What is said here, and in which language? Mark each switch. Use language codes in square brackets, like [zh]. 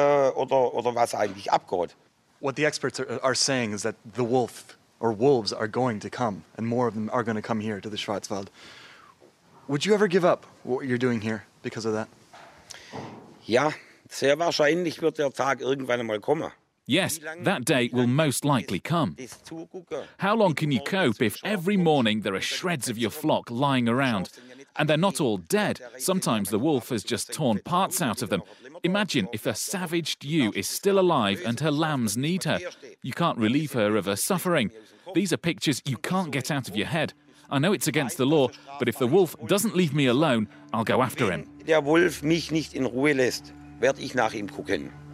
[en] What the experts are saying is that the wolf or wolves are going to come, and more of them are going to come here to the Schwarzwald. Would you ever give up what you're doing here because of that? [de] Ja, sehr wahrscheinlich wird der Tag irgendwann einmal kommen. [en] Yes, that day will most likely come. How long can you cope if every morning there are shreds of your flock lying around? And they're not all dead. Sometimes the wolf has just torn parts out of them. Imagine if a savaged ewe is still alive and her lambs need her. You can't relieve her of her suffering. These are pictures you can't get out of your head. I know it's against the law, but if the wolf doesn't leave me alone, I'll go after him. [de] Der Wolf mich nicht in Ruhe lässt, werde ich nach ihm gucken.